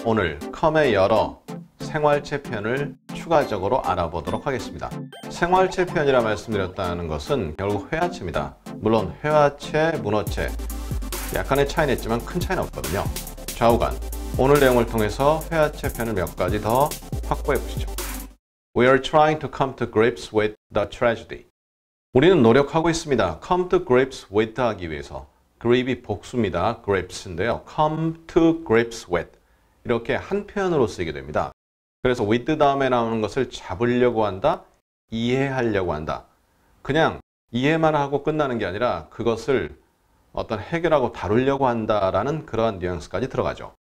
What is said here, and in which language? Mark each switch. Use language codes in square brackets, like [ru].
[ko] 오늘 컴의 여러 생활체편을 추가적으로 알아보도록 하겠습니다. 생활체편이라 말씀드렸다는 것은 결국 회화체입니다. 물론 회화체, 문어체 약간의 차이는 있지만 큰 차이는 없거든요. 좌우간 오늘 내용을 통해서 회화체편을 몇 가지 더 확보해 보시죠. [en] We are trying to come to grips with the tragedy. [ko] 우리는 노력하고 있습니다. [en] Come to grips with [ko] 하기 위해서 grip이 복수입니다. grips인데요. [en] come to grips with [ko] 이렇게 한 표현으로 쓰이게 됩니다. 그래서 with 다음에 나오는 것을 잡으려고 한다, 이해하려고 한다. 그냥 이해만 하고 끝나는 게 아니라 그것을 어떤 해결하고 다루려고 한다라는 그러한 뉘앙스까지 들어가죠.